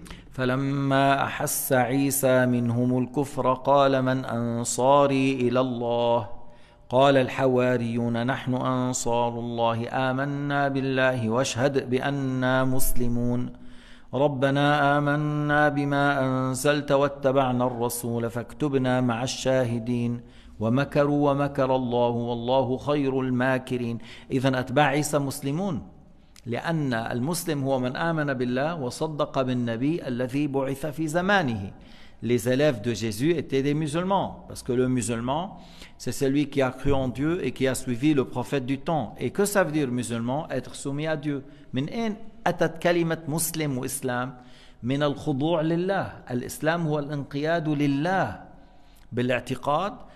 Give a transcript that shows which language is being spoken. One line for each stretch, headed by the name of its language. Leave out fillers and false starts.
Arabic: فلما أحس عيسى منهم الكفر قال من أنصاري إلى الله قال الحواريون نحن أنصار الله آمنا بالله واشهد بأننا مسلمون ربنا آمنا بما أنزلت واتبعنا الرسول فاكتبنا مع الشاهدين ومكروا ومكر الله والله خير الماكرين. إذن أتباع عيسى مسلمون، لأن المسلم هو من آمن بالله وصدق بالنبي الذي بعث في زمانه.
French: Les élèves de Jésus étaient des musulmans, parce que le musulman, c'est celui qui a cru en Dieu et qui a suivi le prophète du temps. Et que ça veut dire musulman? Être soumis à Dieu.
Arabic: من أين أتت كلمة مسلم وإسلام؟ من الخضوع لله. الإسلام هو الانقياد لله بالاعتقاد.